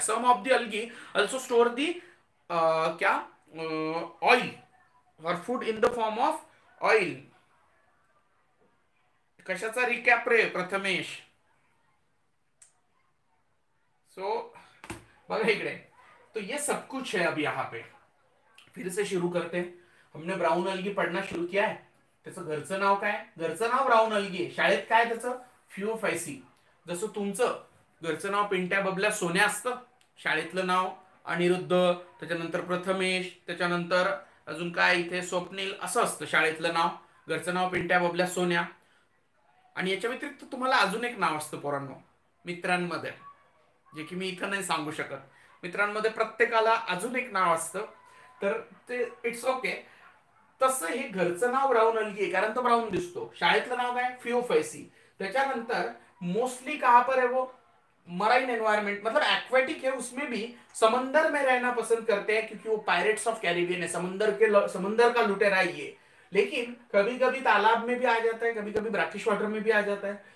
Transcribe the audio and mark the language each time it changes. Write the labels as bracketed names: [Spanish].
[English] Some of the algae also store the क्या, oil और food in the form of oil. [Marathi] कशाचा recap रे Prathamesh? [Hindi] सो [Marathi] बघा इकडे, [Hindi] तो ये सब कुछ है। अब यहां पे फिर से शुरू करते हैं, हमने ब्राउन अल्गी पढ़ना शुरू किया है, [Marathi] त्याचं घरचं नाव काय आहे, घरचं नाव ब्राउन अल्गी आहे, शाळेत काय त्याचं, फ्युओफायसी। जसं तुमचं घरचं नाव पिंट्या बबल्या सोन्या असतं, शाळेतलं नाव अनिरुद्ध, त्याच्यानंतर प्रथमेश, त्याच्यानंतर अजून काय इथे स्वप्नील, असं असतं शाळेतलं नाव, घरचं नाव पिंट्या बबल्या सोन्या। आणि याच्या व्यतिरिक्त तुम्हाला अजून एक नाव असतं पोरांनो मित्रांमध्ये, जे की मी इथं नाही सांगू शकत. मित्रांमध्ये प्रत्येकाला अजून एक नाव असतं, तर ते इट्स ओके. तसं हे घरचं नाव राहून अलगी आहे, कारण तो राहून दिसतो. शाळेतलं नाव आहे फिओफायसी. [Hindi] त्याच्यानंतर मोस्टली कहां पर है वो मराइन एनवायरमेंट, मतलब एक्वेटिक है, उसमें भी समंदर में रहना पसंद करते हैं क्योंकि वो पायरेट्स ऑफ कैरिबियन है, समंदर का लुटेरा ही है. लेकिन कभी कभी तालाब में भी आ जाता है, कभी कभी ब्रैकिश वाटर में भी आ जाता है.